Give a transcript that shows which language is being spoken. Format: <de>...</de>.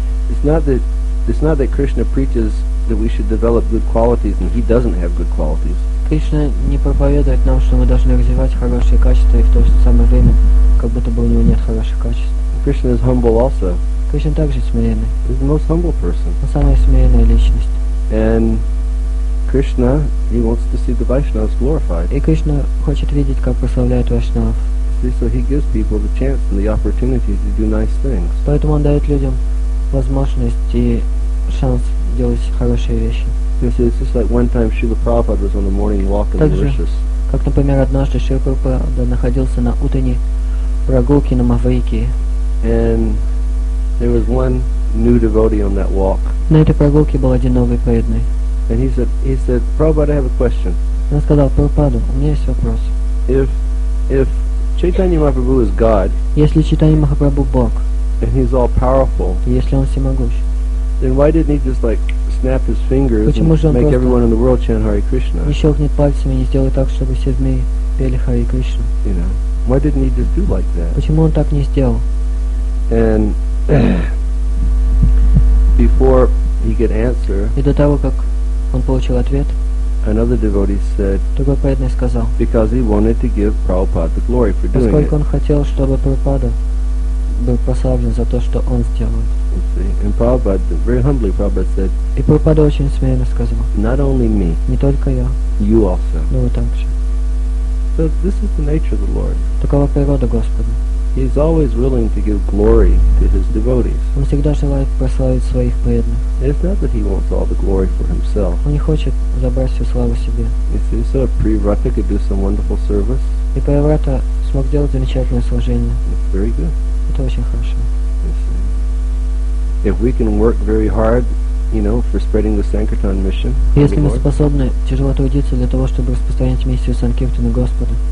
<en>It's not that Krishna preaches that we should develop good qualities and he doesn't have good qualities.</en> <ru>Кришна не проповедует нам, что мы должны развивать хорошие качества и в то же самое время, как будто бы у него нет хороших качеств.</ru> <en>Krishna is humble also.</en> <ru>Кришна также смиренный.</ru> <en>He's the most humble person.</en> <ru>Он самая смиренная личность.</ru> <en>And Krishna, he wants to see the Vaishnavas glorified.</en> <ru>И Кришна хочет видеть, как прославляют Вайшнав.</ru> <en>See, so he gives people the chance and the opportunity to do nice things.</en> <ru>Поэтому он дает людям возможность и шанс делать хорошие вещи.</ru> <en>You see, it's just like one time Srila Prabhupada was on a morning walk in Mauritius.</en> <ru>Также, как, например, однажды Шрила Прабхупада находился на утренней прогулке на Маврикии.</ru> <en>And there was one new devotee on that walk.</en> <ru>На этой прогулке был один новый преданный.</ru> <en>And he said, Prabhupada, I have a question.</en> <ru>Он сказал, Прабхупада, у меня есть вопрос.</ru> <en>If Chaitanya Mahaprabhu is God,</en> <ru>если Чайтанья Махапрабху Бог,</ru> <en>and he's all powerful,</en> <ru>если он всемогущ,</ru> <en>then why didn't he just like snap his fingers and make everyone in the world chant Hare Krishna?</en> <ru>Не щелкнет пальцами и не сделает так, чтобы все в мире пели Hare Krishna?</ru> <en>You know, why didn't he just do like that?</en> <ru>Почему он так не сделал?</ru> <en>And before he could answer,</en> <ru>и до того как он получил ответ,</ru> <en>another devotee said,</en> <ru>другой преданный сказал,</ru> <en>because he wanted to give Prabhupada the glory for doing it.</en> <ru>Поскольку он хотел, чтобы Прабхупада был прославлен за то, что он сделал.</ru> <en>And Prabhupada, very humbly, Prabhupada said,</en> <ru>и Прабхупада очень смиренно сказал,</ru> <en>not only me,</en> <ru>не только я,</ru> <en>you also,</en> <ru>но вы также.</ru> <en>So this is the nature of the Lord.</en> <ru>Такова природа Господа.</ru> <en>He is always willing to give glory to his devotees.</en> <ru>Он всегда желает прославить своих преданных.</ru> <en>It's not that he wants all the glory for himself.</en> <ru>Он не хочет забрать всю славу себе.</ru> <en>You see, so Priyavrata could do some wonderful service.</en> <ru>И Priyavrata смог делать замечательное служение.</ru> <en>It's very good.</en> <ru>Это очень хорошо.</ru> <en>If we can work very hard, you know, for spreading the Sankirtan mission,</en> <ru>если мы способны тяжело трудиться для того, чтобы распространять миссию Санкиртана Господа,</ru>